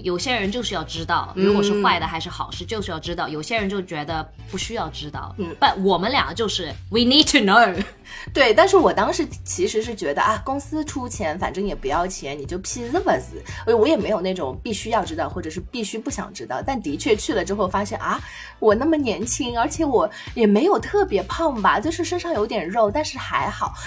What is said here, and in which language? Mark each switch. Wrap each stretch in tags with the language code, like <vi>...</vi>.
<zh>有些人就是要知道如果是坏的还是好事，就是要知道，有些人就觉得不需要知道。</zh> <en>But</en> <zh>我们俩就是</zh> <en>we need to know.</en> <zh>对，但是我当时其实是觉得啊，公司出钱反正也不要钱，你就</zh> <en>peace with it。</en> <zh>我也没有那种必须要知道或者是必须不想知道，但的确去了之后发现啊，我那么年轻而且我也没有特别胖吧，就是身上有点肉，但是还好。</zh>